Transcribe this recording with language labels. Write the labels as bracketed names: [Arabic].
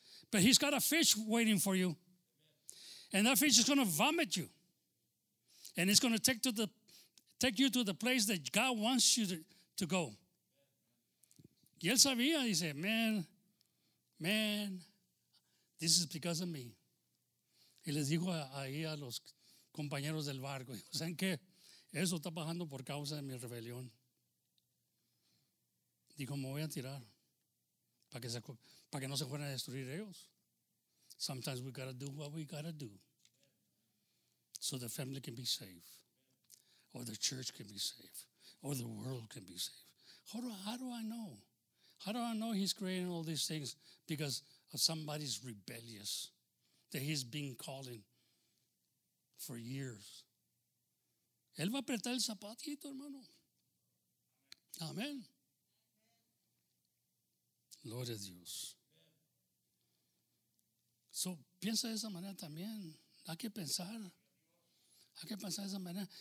[English] But he's got a fish waiting for you. And that fish is going to vomit you. And it's going to take you to the place that God wants you to go. [Spanish] Y él sabía, [English] he said, man, this is because of me. [Spanish] Y les dijo ahí a los compañeros del barco, ¿saben qué? Eso está pasando por causa de mi rebelión. Dijo, me voy a tirar para que no se fueran a destruir ellos. [English] Sometimes we gotta do what we gotta do so the family can be safe or the church can be safe or the world can be safe. How do I know? How do I know he's creating all these things because of somebody's rebellious that he's been calling for years? [Spanish] Él va a apretar el zapatito, hermano. Amén. Gloria a Dios. So, piensa de esa manera también. Hay que pensar de esa manera.